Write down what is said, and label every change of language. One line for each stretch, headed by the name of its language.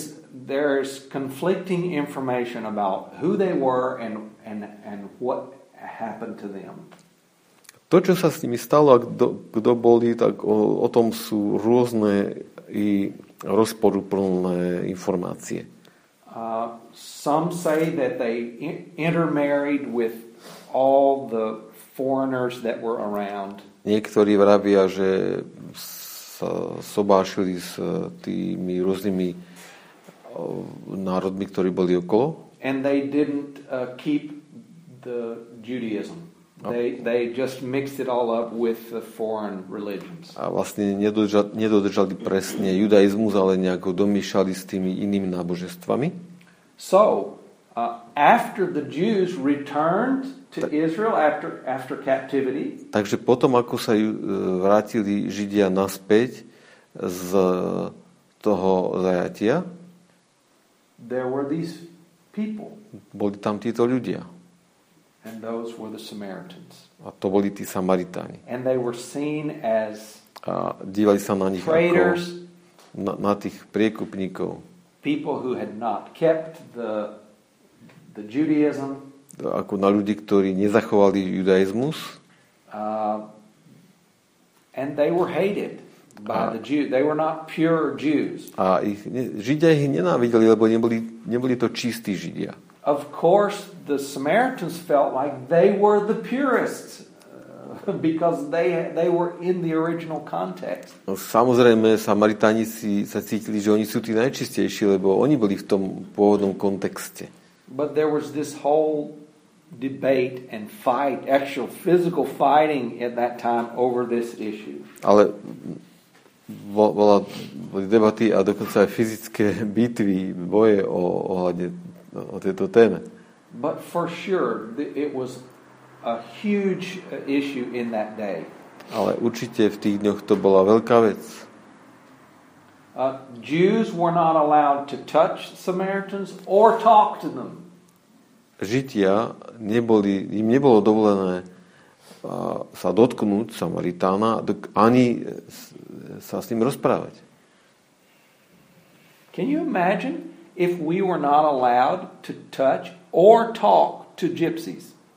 English: There is conflicting information about who they were and what happened to them.
Slovak: To, čo sa s nimi stalo, kto boli, tak o tom sú rôzne i rozporuplné informácie.
English: Some say that they intermarried with all the foreigners that were around.
Slovak: Niektorí vravia, že sa sobášili s tými rôznymi národmi, ktorí boli okolo.
English: And they didn't keep the Judaism. They just mixed it all up with the foreign religions.
Slovak: A vlastne nedodržali presne judaizmus, ale nejako domiešali s tými inými náboženstvami.
English: So, after the Jews returned to Israel after captivity.
Slovak: Takže potom ako sa vrátili Židia naspäť z toho zajatia.
English: There were these people.
Slovak: Boli tam títo ľudia.
English: And those were the Samaritans.
Slovak: A to boli tí Samaritáni.
English: And they were seen as
Slovak: dívali sa na nich traitors, ako na tých priekupníkov.
English: People who had not kept the Judaism.
Slovak: Ako na ľudí, ktorí nezachovali judaizmus.
English: And they were hated by the Jews. They were not pure Jews.
Slovak: A ich, Židia ich nenávideli, lebo neboli to čistí Židia.
English: Of course, the Samaritans felt like they were the purists because they were in the original context.
Slovak: No, samozrejme, Samaritáni si sa cítili, že oni sú tí najčistejší, lebo oni boli v tom pôvodnom kontexte.
English: But there was this whole debate and fight, actual physical fighting at that time over this issue.
Slovak: Ale boli debaty a dokonca aj fyzické bitvy, boje o tejto téme.
English: But for sure, it was a huge issue in that day.
Slovak: Ale určite v tých dňoch to bola veľká vec.
English: Jews were not allowed to touch Samaritans or talk to them.
Slovak: Židia neboli, im nebolo dovolené sa dotknúť Samaritána ani sa s ním rozprávať.
English: Can you imagine if we were not allowed to touch or talk to gypsies?